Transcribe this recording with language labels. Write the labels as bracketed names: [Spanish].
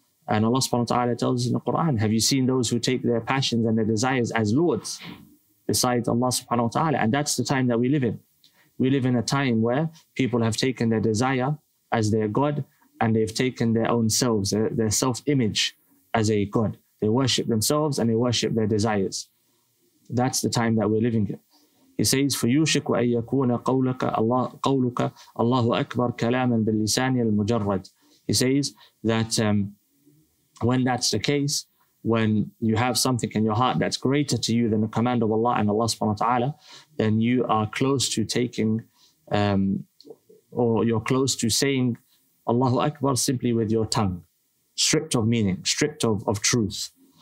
[English] And Allah subhanahu wa ta'ala tells us in the Quran, have you seen those who take their passions and their desires as Lords beside Allah subhanahu wa ta'ala? And that's the time that we live in. We live in a time where people have taken their desire as their God, and they've taken their own selves, their self-image as a God. They worship themselves and they worship their desires. That's the time that we're living in. He says, [Arabic] فَيُوشِكُ أَن يَكُونَ قَوْلُكَ اللَّهُ أَكْبَرْ كَلَامًا بِاللِّسَانِ الْمُجَرَّدِ. [English] He says that when that's the case, when you have something in your heart that's greater to you than the command of Allah and Allah subhanahu wa ta'ala, then you are close to taking, or you're close to saying Allahu Akbar simply with your tongue, stripped of meaning, stripped of truth.